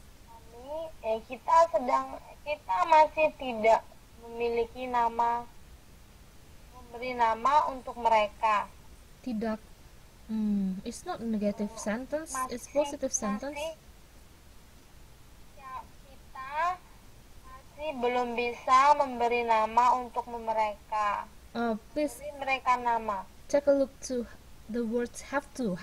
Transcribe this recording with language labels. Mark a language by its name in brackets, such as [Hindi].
[Indonesian] Kami, kita masih tidak memiliki nama, memberi nama untuk mereka. Tidak, [English] it's not a negative sentence, it's positive sentence. [Indonesian] Kita masih belum bisa memberi nama untuk mereka. [English] Please [Indonesian] beri mereka nama. [English] Take a look to the words have to.